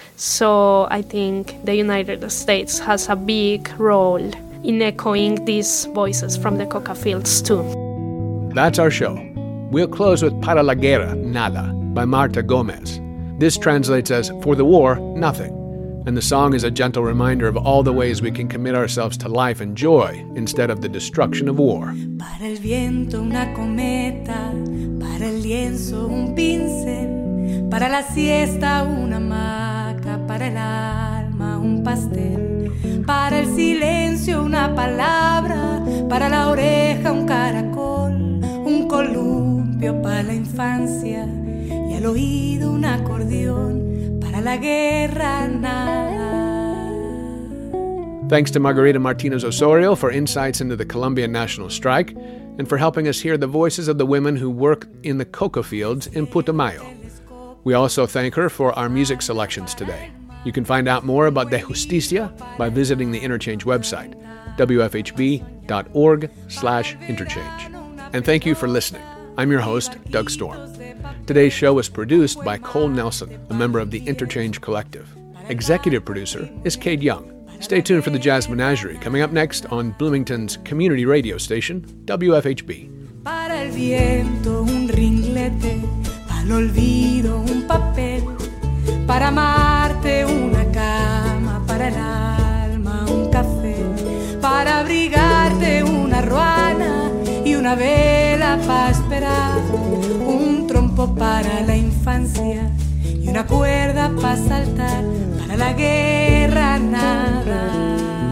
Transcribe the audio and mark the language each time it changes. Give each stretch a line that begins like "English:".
English: So I think the United States has a big role in echoing these voices from the coca fields too. That's our show. We'll close with Para la Guerra, Nada by Marta Gomez. This translates as For the War, Nothing. And the song is a gentle reminder of all the ways we can commit ourselves to life and joy instead of the destruction of war.
Spanish: Para el viento una cometa, para el lienzo un pincel, para la siesta una hamaca, para el alma un pastel, para el silencio una palabra, para la oreja un caracol, un columpio para la infancia y al oído un acordeón. Para la guerra, nada.
English: Thanks to Margarita Martinez Osorio for insights into the Colombian national strike and for helping us hear the voices of the women who work in the coca fields in Putumayo. We also thank her for our music selections today. You can find out more about De Justicia by visiting the Interchange website, wfhb.org/interchange. And thank you for listening. I'm your host, Doug Storm. Today's show was produced by Cole Nelson, a member of the Interchange Collective. Executive producer is Cade Young. Stay tuned for the Jazz Menagerie, coming up next on Bloomington's community radio station, WFHB.
Spanish: Para el viento un ringlete, para el olvido un papel, para amarte una cama, para el alma un café, para abrigarte una ruana y una otra vela para esperar, un trompo para la infancia y una cuerda para saltar, para la guerra nada más.